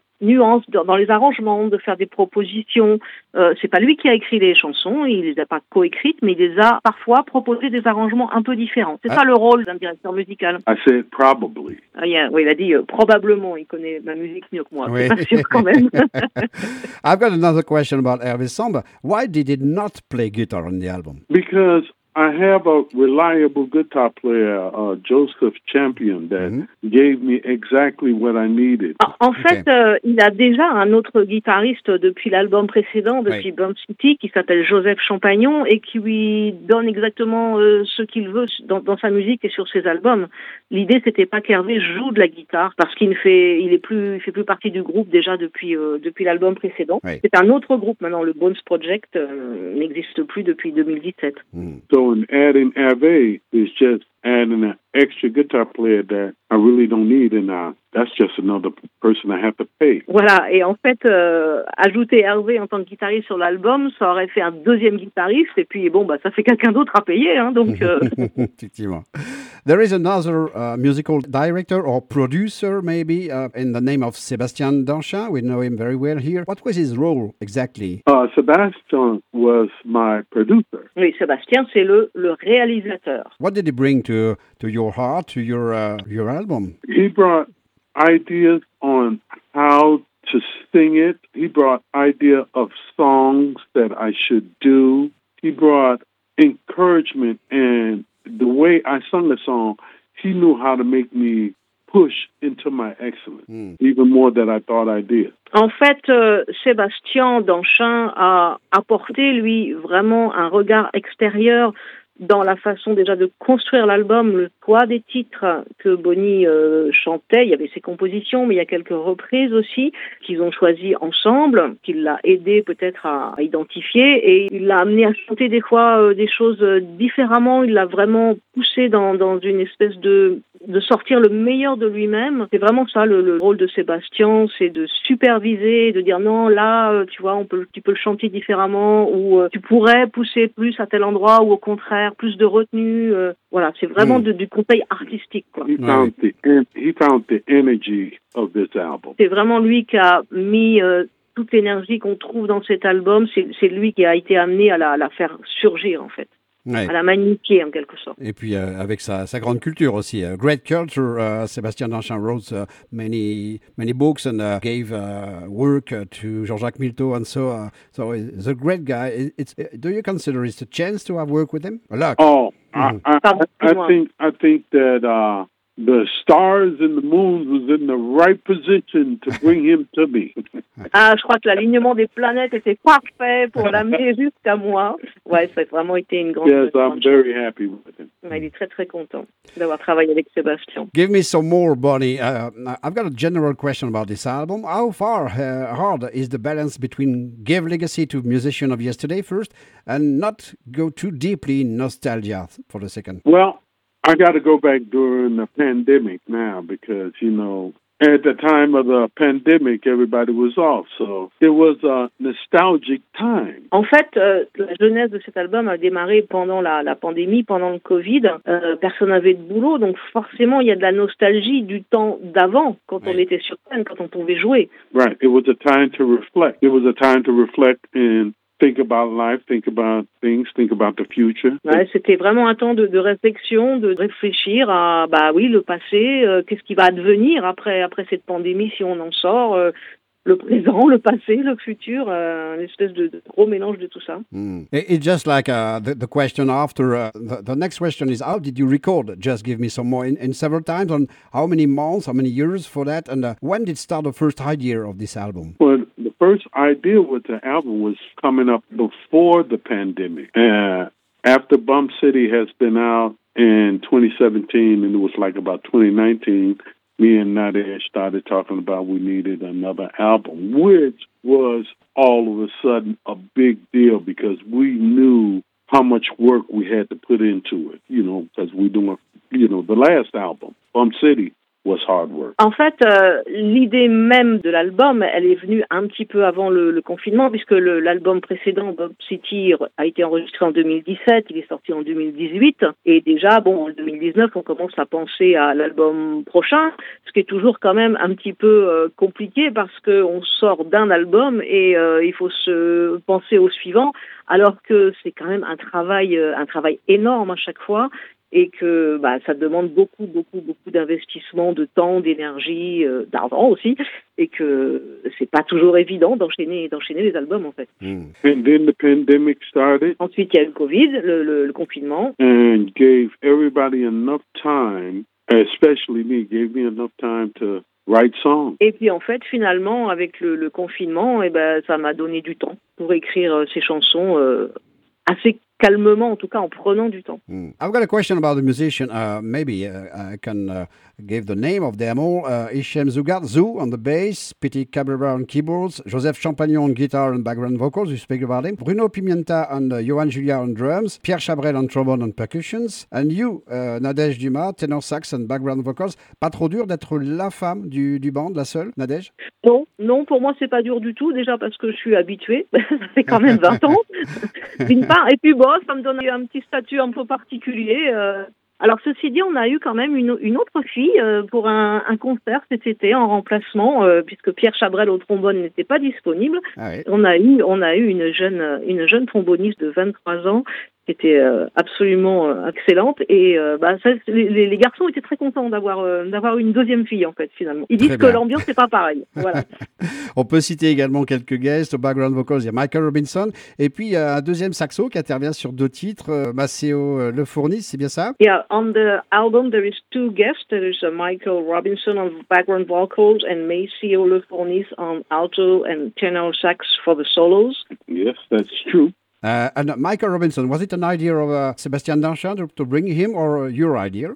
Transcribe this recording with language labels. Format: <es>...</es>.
<fr>nuances dans les arrangements, de faire des propositions. C'est pas lui qui a écrit les chansons, il les a pas coécrites, mais il les a parfois proposé des arrangements un peu différents. C'est ça le rôle d'un directeur musical.</fr> <en>I said probably.</en> <fr>Oui, il a dit probablement, il connaît ma musique mieux que moi. Oui. C'est pas sûr quand même.</fr> <en>I've got another question about Hervé Sombre. Why did he not play guitar on the album? Because I have a reliable guitar player, Joseph Champion, that gave me exactly what I needed.</en> <fr>En fait, il a déjà un autre guitariste depuis l'album précédent, depuis Bump City, qui s'appelle Joseph Champagnon, et qui lui donne exactement ce qu'il veut dans sa musique et sur ses albums. L'idée, c'était pas qu'Hervé joue de la guitare, parce qu'il ne fait, il fait plus partie du groupe déjà depuis l'album précédent. Oui. C'est un autre groupe maintenant, le Bones Project n'existe plus depuis 2017. Mm.</fr> <en>So in adding Hervé is just adding an extra guitar player that I really don't need, and that's just another person I have to pay.</en> <fr>Voilà, et en fait, ajouter Hervé en tant que guitariste sur l'album, ça aurait fait un deuxième guitariste, et puis bon, bah, ça fait quelqu'un d'autre à payer, hein, donc... Effectivement.</fr> <en>There is another musical director or producer, maybe, in the name of Sébastien Danchin. We know him very well here. What was his role exactly? Sébastien was my producer.</en> <fr>Oui, Sébastien, c'est le réalisateur.</fr> <en>What did he bring to your heart, to your album? He brought ideas on how to sing it. He brought idea of songs that I should do. He brought encouragement and the way I sung the song, he knew how to make me push into my excellence, even more than I thought I did.</en> <fr>En fait, Sébastien Danchin a apporté, lui, vraiment un regard extérieur dans la façon déjà de construire l'album, le poids des titres que Bonnie chantait. Il y avait ses compositions, mais il y a quelques reprises aussi qu'ils ont choisies ensemble, qu'il l'a aidé peut-être à identifier, et il l'a amené à chanter des fois des choses différemment. Il l'a vraiment poussé dans une espèce de sortir le meilleur de lui-même. C'est vraiment ça le rôle de Sébastien, c'est de superviser, de dire non, là, tu vois, tu peux le chanter différemment, ou tu pourrais pousser plus à tel endroit, ou au contraire plus de retenue. Voilà, c'est vraiment du conseil artistique, quoi.</fr> <en>He found the energy of this album.</en> <fr>C'est vraiment lui qui a mis toute l'énergie qu'on trouve dans cet album. C'est lui qui a été amené à la faire surgir, en fait. Ouais. À la magnifier, en quelque sorte. Et puis, avec sa grande culture aussi.</fr> <en>Great culture, Sébastien Danchin wrote many books and gave work to Jean-Jacques Milteau and so on. So, he's a great guy. Do you consider it a chance to have worked with him? A luck. I think that the stars and the moons was in the right position to bring him to me.</en> <fr>Ah, je crois que l'alignement des planètes était parfait pour l'amener jusqu'à moi. Ouais, ça a vraiment été une grande...</fr> <en>Yes, I'm very happy with him.</en> <fr>Ouais, il est très, très content d'avoir travaillé avec Sébastien.</fr> <en>Give me some more, Bonnie. I've got a general question about this album. How far hard is the balance between give legacy to musician of yesterday first and not go too deeply in nostalgia for the second? Well, I got to go back during the pandemic now because, you know, at the time of the pandemic, everybody was off. So it was a nostalgic time.</en> <fr>En fait, la genèse de cet album a démarré pendant la pandémie, pendant le Covid. Personne n'avait de boulot, donc forcément, il y a de la nostalgie du temps d'avant, quand on était sur scène, quand on pouvait jouer.</fr> <en>Right. It was a time to reflect. It was a time to reflect and think about life, think about things, think about the future.</en> <fr>Ouais, c'était vraiment un temps de réflexion, de réfléchir à le passé, qu'est-ce qui va advenir après cette pandémie si on en sort, le présent, le passé, le futur, une espèce de gros mélange de tout ça.</fr> <en>It's just like the question after the next question is, how did you record Just Give Me Some More in several times, on how many months, how many years for that, and when did start the first idea of this album? Well, the first idea with the album was coming up before the pandemic. After Bump City has been out in 2017, and it was like about 2019, me and Nadia started talking about we needed another album, which was all of a sudden a big deal because we knew how much work we had to put into it, you know, because we're doing, you know, the last album, Bump City. Was hard work.</en> <fr>En fait, l'idée même de l'album, elle est venue un petit peu avant le confinement, puisque l'album précédent, Bump City, a été enregistré en 2017, il est sorti en 2018, et déjà, bon, en 2019, on commence à penser à l'album prochain, ce qui est toujours quand même un petit peu compliqué, parce qu'on sort d'un album et il faut se penser au suivant, alors que c'est quand même un travail énorme à chaque fois. Et que bah, ça demande beaucoup, beaucoup, beaucoup d'investissement, de temps, d'énergie, d'argent aussi. Et que c'est pas toujours évident d'enchaîner les albums, en fait.</fr> <en>And then the pandemic started.</en> <fr>Ensuite, il y a le Covid, le confinement.</fr> <en>And gave everybody enough time, especially me, gave me enough time to write songs.</en> <fr>Et puis, en fait, finalement, avec le confinement, et ben, ça m'a donné du temps pour écrire ces chansons assez calmement, en tout cas en prenant du temps.</fr> <en>I've got a question about the musician. Maybe I can give the name of them all. Hichem Zougart Zou on the bass, Petit Cabrera on keyboards, Joseph Champagnon on guitar and background vocals, you speak about him, Bruno Pimienta and Johan Julia on drums, Pierre Chabrel on trombone and percussions, and you, Nadège Dumas, tenor sax and background vocals.</en> <fr>Pas trop dur d'être la femme du band, la seule, Nadège? Non, pour moi c'est pas dur du tout, déjà parce que je suis habituée, ça fait quand même 20 ans, d'une part, et puis bon, ça me donne un petit statut un peu particulier. Alors ceci dit, on a eu quand même une autre fille pour un concert cet été en remplacement, puisque Pierre Chabrel au trombone n'était pas disponible. Ah oui. On a eu une jeune tromboniste de 23 ans qui était absolument excellente. Et les garçons étaient très contents d'avoir une deuxième fille, en fait, finalement. Ils disent que l'ambiance n'est pas pareille. Voilà. On peut citer également quelques guests. Au background vocals, il y a Michael Robinson. Et puis, il y a un deuxième saxo qui intervient sur deux titres. Maceo Le Fournis, c'est bien ça?</fr> <en>Yeah, on the album, there is two guests. There is Michael Robinson on background vocals and Maceo Le Fournis on alto and tenor sax for the solos. Yes, that's true. And Michael Robinson, was it an idea of Sébastien Danchand to bring him, or your idea?</en>